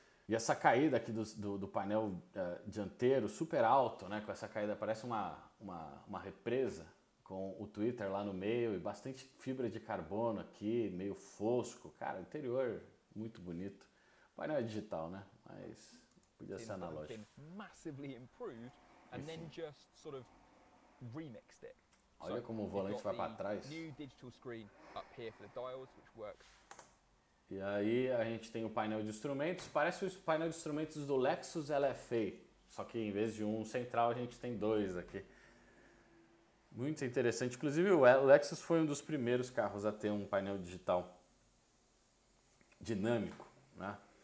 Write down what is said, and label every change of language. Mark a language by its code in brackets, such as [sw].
[pt] E essa caída aqui do painel dianteiro, super alto, né? Com essa caída, parece uma represa. Com o Twitter lá no meio e bastante fibra de carbono aqui, meio fosco. Cara, interior muito bonito. O painel é digital, né? Mas podia ser analógico. [en] Massively improved, and then just sort of remixed it. [pt] Olha como o volante vai para trás. [en] New digital screen up here for the dials, which works. [pt] E aí a gente tem o painel de instrumentos. Parece o painel de instrumentos do Lexus LFA. Só que em vez de um central, a gente tem dois aqui. Muito interessante. Inclusive, o Lexus foi um dos primeiros carros a ter um painel digital dinâmico, né?